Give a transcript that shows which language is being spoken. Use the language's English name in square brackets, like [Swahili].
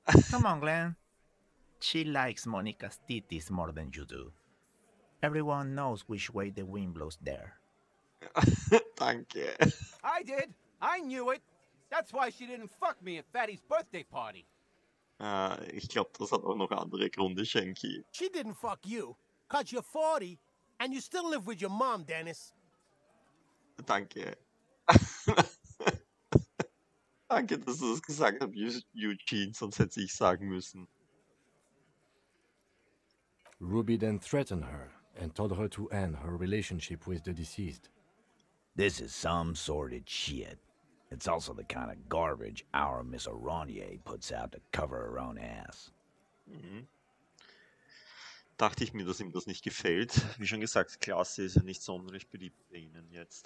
[English] Come on, Glenn. She likes Monica's titties more than you do. Everyone knows which way the wind blows there. [German] Danke. [English] I did. I knew it. That's why she didn't fuck me at Fatty's birthday party. [German] Ich glaube, das hat auch noch andere Gründe, Shanky. [English] She didn't fuck you, cause you're 40. And you still live with your mom, Dennis. [German] Danke. Danke, dass du das gesagt hast, Eugene, sonst hätte ich sagen müssen. [English] Ruby then threatened her and told her to end her relationship with the deceased. This is some sordid shit. It's also the kind of garbage our Miss Aronier puts out to cover her own ass. Mm-hmm. [German] Dachte ich mir, dass ihm das nicht gefällt. Wie schon gesagt, Klasse ist ja nicht sonderlich beliebt bei ihnen jetzt.